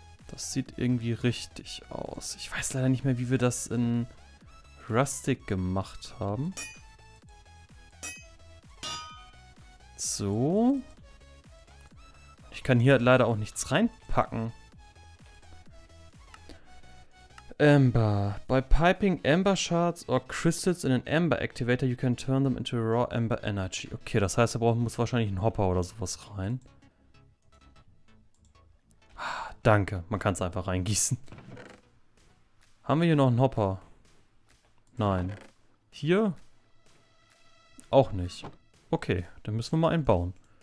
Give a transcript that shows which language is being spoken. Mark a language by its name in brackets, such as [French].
[German] Das sieht irgendwie richtig aus. Ich weiß leider nicht mehr, wie wir das in Rustic gemacht haben. So. Ich kann hier leider auch nichts reinpacken. [English] Amber. By piping Amber Shards or Crystals in an Amber Activator, you can turn them into raw Amber Energy. [German] Okay, das heißt, da muss wahrscheinlich ein Hopper oder sowas rein. Danke, man kann es einfach reingießen. Haben wir hier noch einen Hopper? Nein. Hier? Auch nicht. Okay, dann müssen wir mal einen bauen.